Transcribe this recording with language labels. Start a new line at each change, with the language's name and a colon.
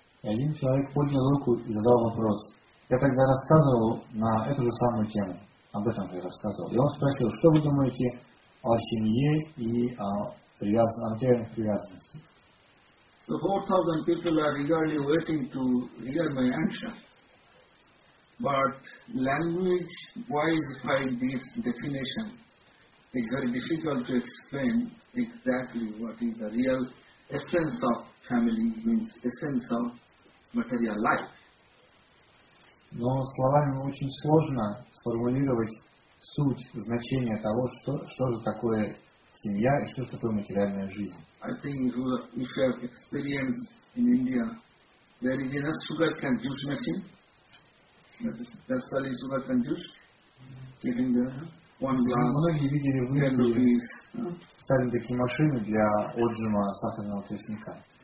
Russian: Один человек поднял руку и задал вопрос. Я тогда рассказывал на эту же самую тему. Об этом я рассказывал. И он спросил, что вы думаете о семье и о материальных привязанностях?
English: So 4,000 people are eagerly waiting to hear my answer. But language-wise, find this definition. It's very difficult to explain exactly what is the real essence of family, means essence of material life.
Russian: Но словами очень сложно сформулировать суть, значение того, что же такое семья и что же такое материальная жизнь.
English: I think if you have experience in India, there is enough sugar can juice machine. That's only sugar can juice. Mm-hmm.
Russian: Многие видели в Индии специальные такие машины для отжима сахарного тростника.